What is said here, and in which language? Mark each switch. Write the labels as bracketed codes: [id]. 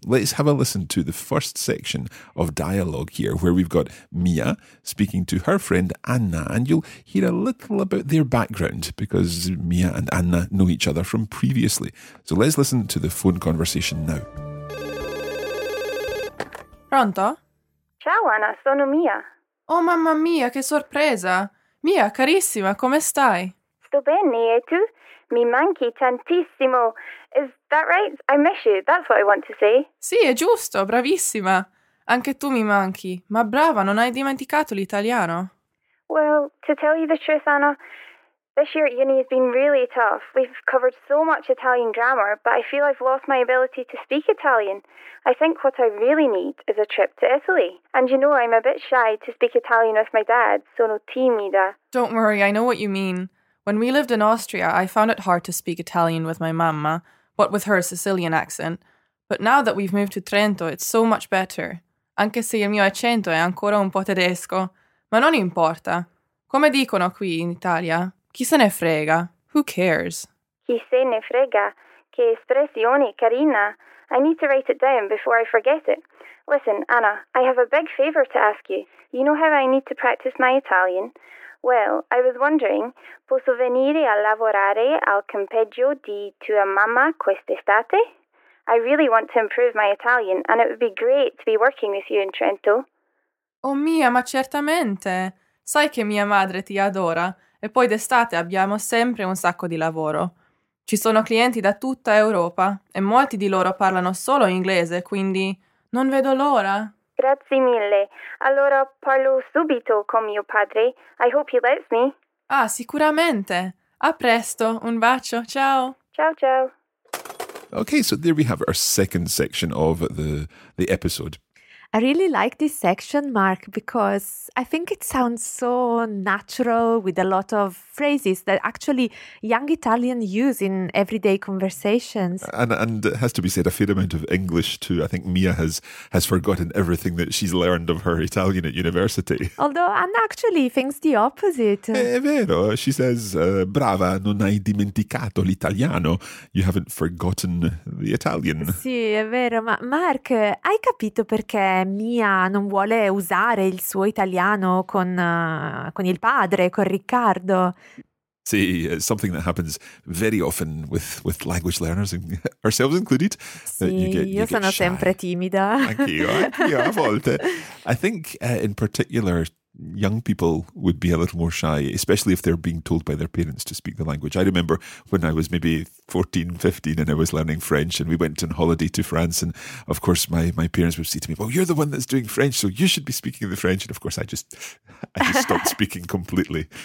[en] Let's have a listen to the first section of dialogue here, where we've got Mia speaking to her friend Anna, and you'll hear a little about their background, because Mia and Anna know each other from previously. So let's listen to the phone conversation now. [it] Pronto? Ciao Anna, sono Mia. Oh mamma mia, che sorpresa! Mia, carissima, come stai? Sto bene, e tu? Mi manchi tantissimo. [en] Is that right? I miss you, that's what I want to say. [it] Sì, è giusto, bravissima. Anche tu mi manchi. Ma brava, non hai dimenticato l'italiano? [en] Well, to tell you the truth, Anna, this year at uni has been really tough. We've covered so much Italian grammar, but I feel I've lost my ability to speak Italian. I think what I really need is a trip to Italy. And you know, I'm a bit shy to speak Italian with my dad, [it] sono timida. [en] Don't worry, I know what you mean. When we lived in Austria, I found it hard to speak Italian with my mamma, what with her Sicilian accent. But now that we've moved to Trento, it's so much better. [it] Anche se il mio accento è ancora un po' tedesco. Ma non importa. Come dicono qui in Italia? Chi se ne frega? [en] Who cares? [it] Chi se ne frega? Che espressione carina. [en] I need to write it down before I forget it. Listen, Anna, I have a big favor to ask you. You know how I need to practice my Italian? Well, I was wondering, [it] posso venire a lavorare al campeggio di tua mamma quest'estate? [en] I really want to improve my Italian, and it would be great to be working with you in Trento. [it] Oh mia, ma certamente! Sai che mia madre ti adora, e poi d'estate abbiamo sempre un sacco di lavoro. Ci sono clienti da tutta Europa, e molti di loro parlano solo inglese, quindi non vedo l'ora. Grazie mille. Allora parlo subito con mio padre. [en] I hope he lets me. [it] Ah, sicuramente. A presto. Un bacio. Ciao. Ciao, ciao. [en] Okay, so there we have our second section of the episode. I really like this section, Mark, because I think it sounds so natural with a lot of phrases that actually young Italian use in everyday conversations. And it has to be said, a fair amount of English too. I think Mia has forgotten everything that she's learned of her Italian at university. Although Anna actually thinks the opposite. [it] È vero. [en] She says, [it] brava, non hai dimenticato l'italiano. [en] You haven't forgotten the Italian. [it] Sì, è vero. Ma Mark, hai capito perché Mia non vuole usare il suo italiano con il padre, con Riccardo? [en] Sì, it's something that happens very often with language learners, ourselves included. [it] Sì, io sono sempre timida. Anch'io, a volte. [en] I think in particular young people would be a little more shy, especially if they're being told by their parents to speak the language. I remember when I was maybe 14, 15 and I was learning French and we went on holiday to France, and of course my parents would say to me, well, you're the one that's doing French, so you should be speaking the French. And of course I just stopped speaking completely.